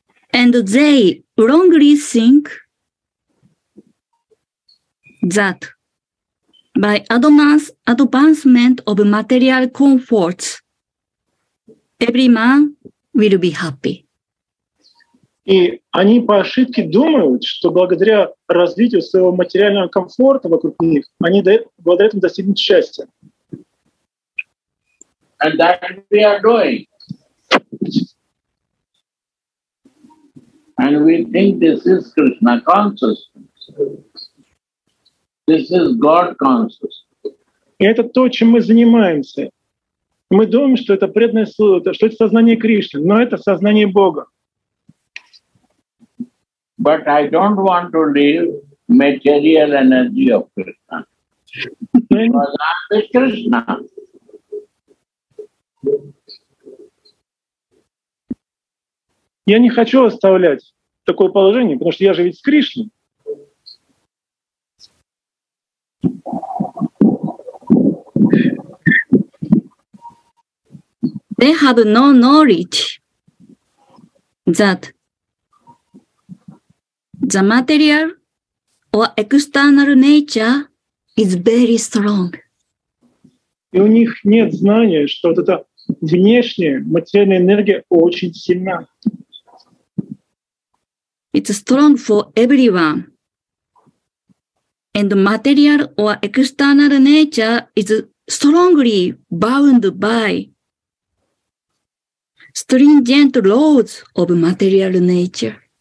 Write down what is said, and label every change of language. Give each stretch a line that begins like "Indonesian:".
English: And they wrongly think that by advancement of material comforts, every man will be happy.
Russian: И они по ошибке думают, что благодаря развитию своего материального комфорта вокруг них, они благодаря этому достигнут счастья.
English: And that we are doing. And we think this is Krishna consciousness. This is God consciousness.
Russian: И это то, чем мы занимаемся. Мы думаем, что это преданное служение, что это сознание Кришны, но это сознание Бога.
English: But I don't want to leave material energy of Krishna. Because I'm with Krishna.
Russian: Я не хочу оставлять такое положение, потому что я же ведь с Кришной.
English: They have no knowledge that the material or external nature is very strong.
Russian: И у них нет знания, что вот эта внешняя материальная энергия очень сильна.
English: It's strong for everyone. And material or external nature is strongly bound by stringent laws of material nature.